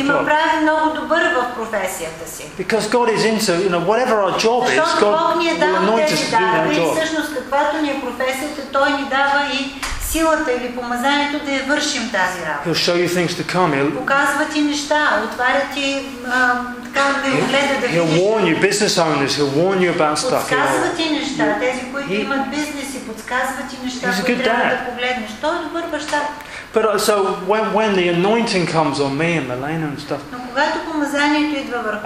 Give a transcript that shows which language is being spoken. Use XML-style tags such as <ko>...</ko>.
<bg>И ме прави много добър в професията си.</bg> <en>Because God is into, you know, whatever our job is, God will anoint us to do that job.</en> <bg>И всъщност каквато ни е професията, Той ни дава и силата или помазанието да я вършим тази работа.</bg> <en>He'll show you things to come. He'll</en> <bg>показва ти неща, отваря ти така да ви гледа да видиш.</bg> <en>He'll warn you, business owners, he'll warn you about stuff.</en> <bg>Подсказва ти неща, тези, които имат бизнес, и подсказва ти неща, които трябва да погледнеш. Той е добър баща.</bg> <en>But so when the anointing comes on me and Milena and stuff.</en> <bg>Но когато помазанието идва върху.</bg>